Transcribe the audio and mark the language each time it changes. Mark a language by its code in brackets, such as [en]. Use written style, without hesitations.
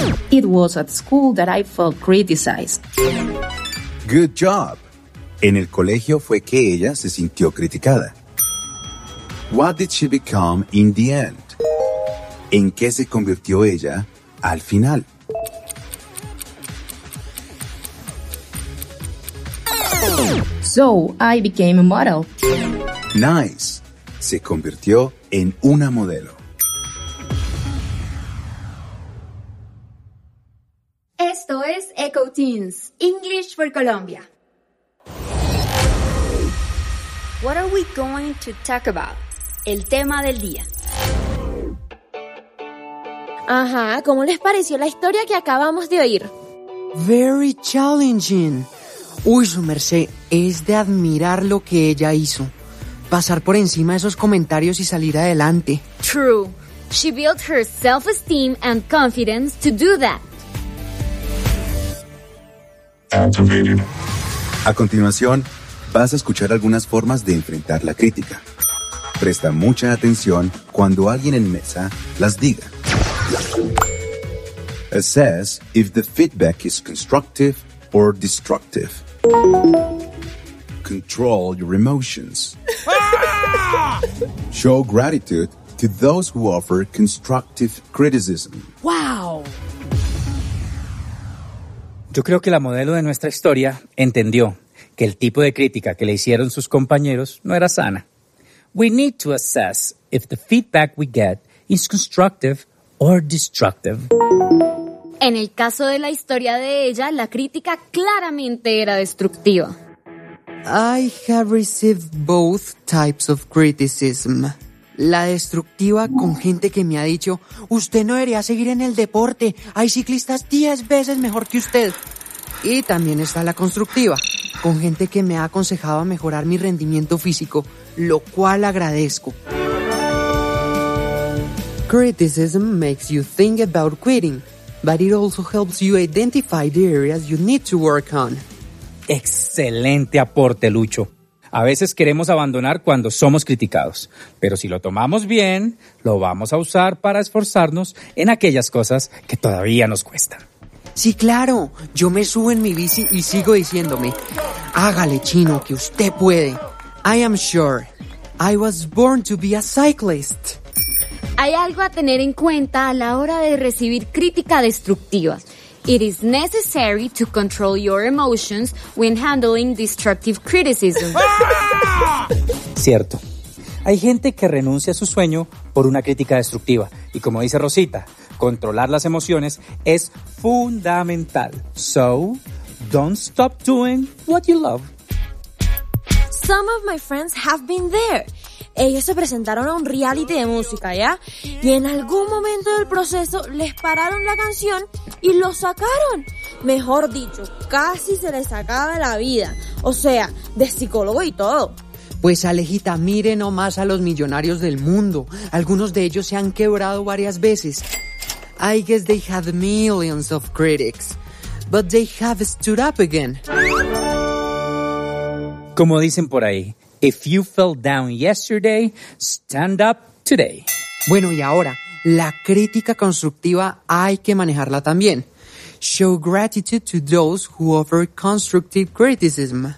[en] It was at school that I felt criticized. Good job. [es] En el colegio fue que ella se sintió criticada. [en] What did she become in the end? [es] ¿En qué se convirtió ella al final? [en] So, I became a model. Nice. [es] Se convirtió en una modelo. Esto es Echo Teens, English for Colombia. [en] What are we going to talk about? [es] El tema del día. Ajá, ¿cómo les pareció la historia que acabamos de oír? [en] Very challenging. [es] Uy, su merced, es de admirar lo que ella hizo. Pasar por encima de esos comentarios y salir adelante. [en] True. She built her self-esteem and confidence to do that. [es] A continuación, vas a escuchar algunas formas de enfrentar la crítica. Presta mucha atención cuando alguien en mesa las diga. [en] Assess if the feedback is constructive or destructive. Control your emotions. Show gratitude to those who offer constructive criticism. Wow. [es] Yo creo que la modelo de nuestra historia entendió que el tipo de crítica que le hicieron sus compañeros no era sana. [en] We need to assess if the feedback we get is constructive or destructive. [es] En el caso de la historia de ella, la crítica claramente era destructiva. [en] I have received both types of criticism. [es] la destructiva con gente que me ha dicho: usted no debería seguir en el deporte, hay ciclistas 10 veces mejor que usted. Y también está la constructiva, con gente que me ha aconsejado a mejorar mi rendimiento físico, lo cual agradezco. [en] Criticism makes you think about quitting, but it also helps you identify the areas you need to work on. [es] ¡Excelente aporte, Lucho! A veces queremos abandonar cuando somos criticados, pero si lo tomamos bien, lo vamos a usar para esforzarnos en aquellas cosas que todavía nos cuestan. Sí, claro. Yo me subo en mi bici y sigo diciéndome: hágale, chino, que usted puede. [en] I am sure. I was born to be a cyclist. [es] Hay algo a tener en cuenta a la hora de recibir crítica destructiva. [en] It is necessary to control your emotions when handling destructive criticism. [es] Cierto. Hay gente que renuncia a su sueño por una crítica destructiva. Y como dice Rosita, controlar las emociones es fundamental. [en] So, don't stop doing what you love. Some of my friends have been there. [es] Ellos se presentaron a un reality de música, ¿ya? Y en algún momento del proceso les pararon la canción y lo sacaron. Mejor dicho, casi se les acaba la vida. O sea, de psicólogo y todo. Pues Alejita, mire nomás a los millonarios del mundo. Algunos de ellos se han quebrado varias veces. [en] I guess they had millions of critics, but they have stood up again. [es] Como dicen por ahí, [en] if you fell down yesterday, stand up today. [es] Bueno, y ahora, la crítica constructiva hay que manejarla también. [en] Show gratitude to those who offer constructive criticism.